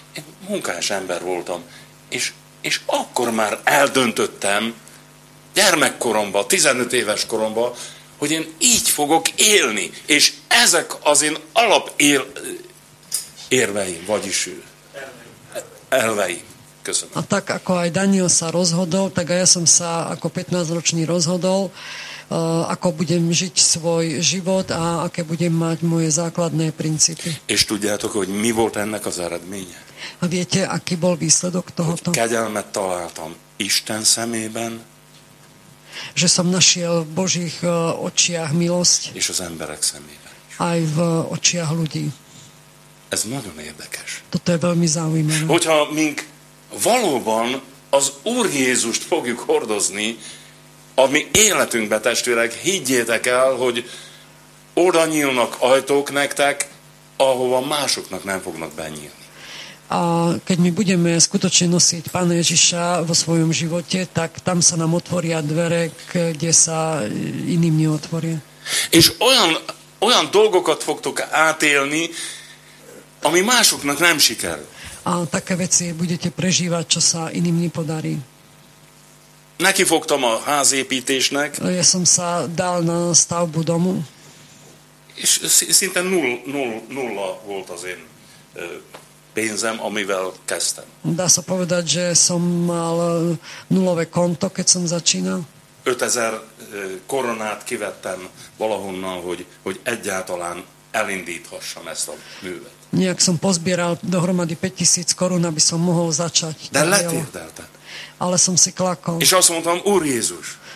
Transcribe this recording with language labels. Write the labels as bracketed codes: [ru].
[hu] Én munkás ember voltam, és akkor már eldöntöttem gyermekkoromban, 15 éves koromban, hogy én így fogok élni, és ezek az én alap érveim, vagyis elveim. Köszönöm. [sk] A tak, ako aj Daniel sa rozhodol, tak aj ja som sa ako 15-ročný rozhodol, ako budem žiť svoj život a aké budem mať moje základné princípy. [hu] És tudjátok, hogy mi volt ennek az eredménye? [sk] A viete, aký bol výsledok tohoto? [hu] Kegyelmet találtam Isten szemében. [sk] Že som našiel v Božích očiach milosť. [hu] És az emberek szemében. [sk] Aj v očiach ľudí. [hu] Ez nagyon érdekes. [sk] Toto je veľmi zaujímavé. [hu] Hogyha mink valóban az Úr Jézust fogjuk hordozni a mi életünkbe, testvérek, higgyétek el, hogy oda nyílnak ajtók nektek, ahova másoknak nem fognak benyílni. [sk] A keď my budeme skutočne nosiť Pána Ježiša vo svojom živote, tak tam sa nám otvoria dvere, kde sa iným neotvoria. [hu] És olyan dolgokat fogtok átélni, ami másoknak nem sikerül. [sk] A také veci budete prežívať, čo sa iným nepodarí. [hu] Nekifogtam a házépítésnek. [sk] Ja som sa dal na stavbu domu. [hu] És szinte nulla volt az én pénzem, amivel kezdtem. [sk] Dá sa povedať, že som mal nulové konto, keď som začínal. [hu] 5000 koronát kivettem valahonnan, hogy egyáltalán elindíthassam ezt a művet. [sk] Nejak som pozbieral dohromady 5000 korun, aby som mohol začať. [hu] De letérdeltem. [sk] Ale som si klakol. [hu] És azt mondtam, Úr Jézus.